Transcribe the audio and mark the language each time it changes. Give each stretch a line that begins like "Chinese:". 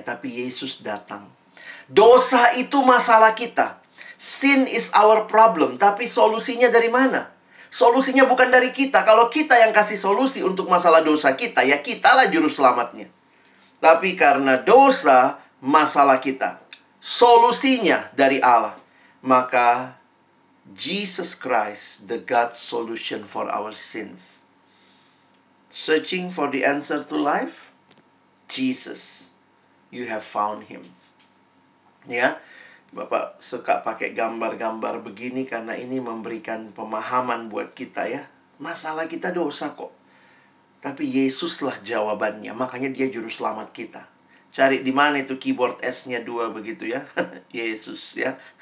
Indonesian: Tapi Yesus datang. Dosa itu masalah kita.
English: Sin is our problem.
Indonesian: Tapi solusinya dari mana? Solusinya bukan dari kita. Kalau kita yang kasih solusi untuk masalah dosa kita, ya kitalah juru selamatnya. Tapi karena dosa masalah kita, solusinya dari Allah. Maka
English: Jesus Christ, the God solution for our sins. Searching for the answer to life? Jesus, you have found him.
Indonesian: Ya, Bapak suka pakai gambar-gambar begini karena ini memberikan pemahaman buat kita ya. Masalah kita dosa kok. Tapi Yesuslah jawabannya, makanya dia juru selamat kita. Cari di mana itu keyboard S-nya 2 begitu ya. Yesus ya.